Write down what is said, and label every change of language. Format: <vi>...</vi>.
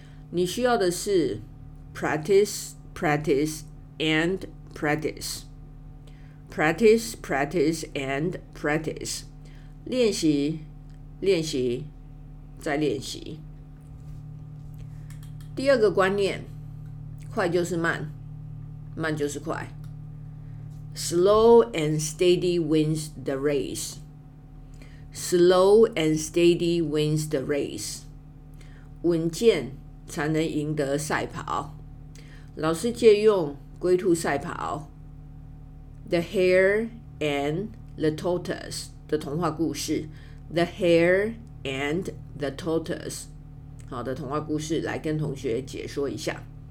<zh>你需要的是</zh> <en>practice and practice，</en> <zh>练习练习再练习。第二个观念，快就是慢，慢就是快。</zh> <en>Slow and steady wins the race. Slow and steady wins the race.</en> <zh>稳健才能赢得赛跑。老师借用龟兔赛跑 The Hare and the Tortoise 的童话故事 The Hare and the Tortoise 好的童话故事来跟同学解说一下。</zh>